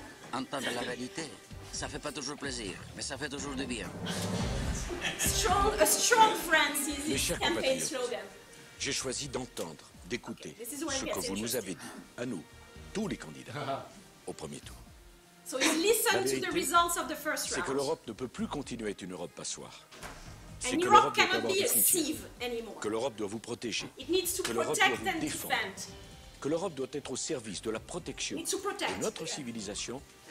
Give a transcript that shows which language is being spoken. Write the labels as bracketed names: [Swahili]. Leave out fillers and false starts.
[French] Entendre la vérité, ça fait pas toujours plaisir, mais ça fait toujours du bien. [English] A strong France is his campaign slogan. [French] J'ai choisi d'entendre, d'écouter ce que vous nous avez dit, à nous, tous les candidats, au premier tour. [English] So you listen to the results of the first round. [French] C'est que l'Europe ne peut plus continuer à être une Europe passoire. C'est que l'Europe [English] cannot be a sieve anymore. [French] Que l'Europe doit vous protéger. [English] It needs to protect and defend. [French] Que l'Europe doit être au service de la protection de notre civilisation.